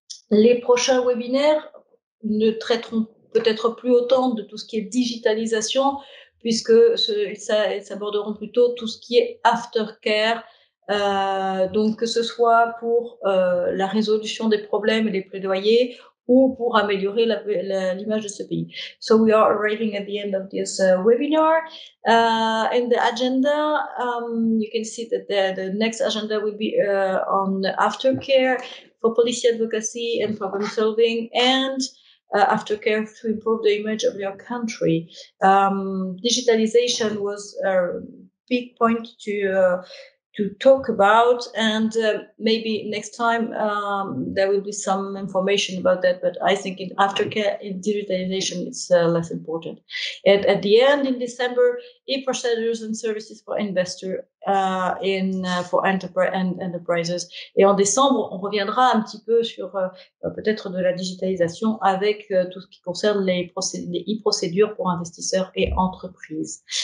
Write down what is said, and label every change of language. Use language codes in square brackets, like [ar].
[fr] Les prochains webinaires ne traiteront peut-être plus autant de tout ce qui est digitalisation, puisque ils s'aborderont plutôt tout ce qui est aftercare, donc que ce soit pour la résolution des problèmes et les plaidoyers ou pour améliorer l'image de ce pays. [en] So we are arriving at the end of this webinar. In the agenda, you can see that the next agenda will be on aftercare for policy advocacy and problem solving and aftercare to improve the image of your country. Digitalization was a big point to talk about, and maybe next time there will be some information about that, but I think in aftercare, in digitalization, it's less important. And at the end, in December, e-procedures and services for investors for enterprise and enterprises. [fr] Et en décembre, on reviendra un petit peu sur peut-être de la digitalisation avec tout ce qui concerne les e-procédures pour investisseurs et entreprises.